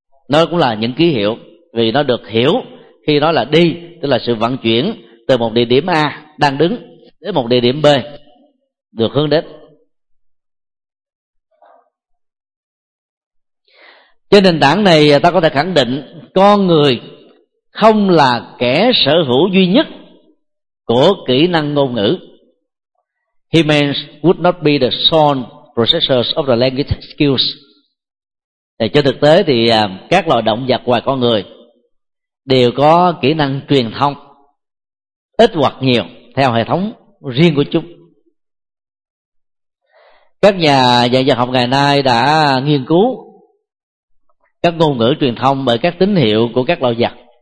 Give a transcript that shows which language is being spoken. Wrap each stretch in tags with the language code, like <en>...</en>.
<vi>Nó cũng là những ký hiệu, vì nó được hiểu khi nói là đi, tức là sự vận chuyển từ một địa điểm A đang đứng đến một địa điểm B được hướng đến. Trên nền tảng này ta có thể khẳng định con người không là kẻ sở hữu duy nhất của kỹ năng ngôn ngữ.</vi> <en>Humans would not be the sole possessors of the language skills.</en> <vi>Trên thực tế thì các loài động vật ngoài con người đều có kỹ năng truyền thông ít hoặc nhiều theo hệ thống riêng của chúng. Các nhà dạy văn học ngày nay đã nghiên cứu các ngôn ngữ truyền thông bởi các tín hiệu của các loài vật.</vi>